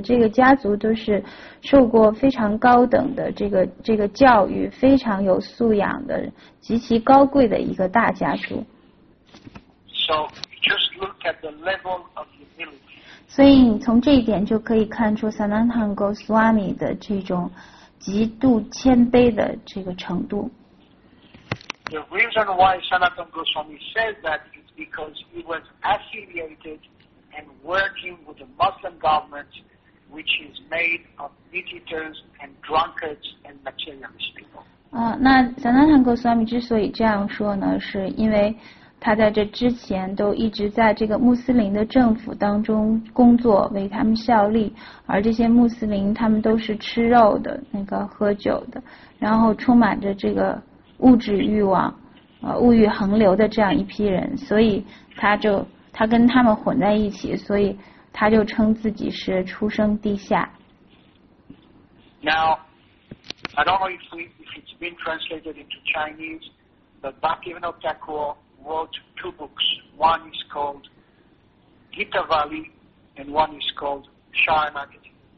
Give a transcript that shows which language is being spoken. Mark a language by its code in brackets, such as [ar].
[zh] 这个家族都是受过非常高等的这个教育，非常有素养的，极其高贵的一个大家族。 [en] So just look at the level of humility. [zh] 所以你从这一点就可以看出 Sanatana Goswami 的这种极度谦卑的这个程度。 [en] The reason why Sanatana Goswami says that is because he was affiliated and working with the Muslim government, which is made of idiots and drunkards and materialist people. [zh] 那 Sanatana Goswami 之所以这样说呢，是因为他在这之前都一直在这个穆斯林的政府当中工作，为他们效力，而这些穆斯林他们都是吃肉的，那个喝酒的，然后充满着这个物质欲望，物欲横流的这样一批人，所以他跟他们混在一起，所以他就称自己是出生地下。 [en] Now, I don't know if it's been translated into Chinese, but Bhaktivinoda Thakur wrote two books. One is called Gita Valley, and one is called Sharanagati.